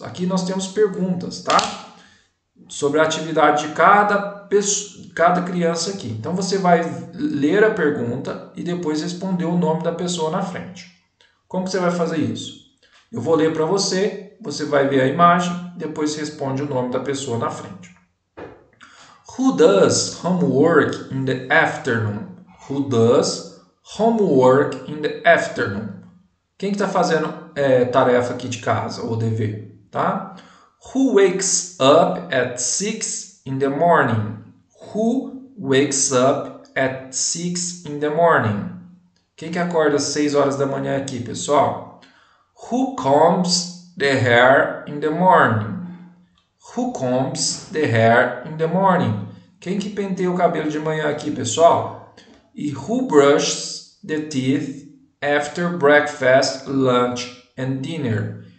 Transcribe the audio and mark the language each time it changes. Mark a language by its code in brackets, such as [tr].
[pt] Aqui nós temos perguntas, tá? Sobre a atividade de cada criança aqui. Então você vai ler a pergunta e depois responder o nome da pessoa na frente. Como que você vai fazer isso? Eu vou ler para você, você vai ver a imagem, depois responde o nome da pessoa na frente. [en] Who does homework in the afternoon? Who does homework in the afternoon? [pt] Quem que está fazendo tarefa aqui de casa ou dever, tá? [en] Who wakes up at 6 in the morning? Who wakes up at 6 in the morning? [pt] Quem que acorda às 6 horas da manhã aqui, pessoal? [en] Who combs the hair in the morning? Who combs the hair in the morning? [pt] Quem que penteia o cabelo de manhã aqui, pessoal? [en] E who brushes the teeth after breakfast, lunch and dinner?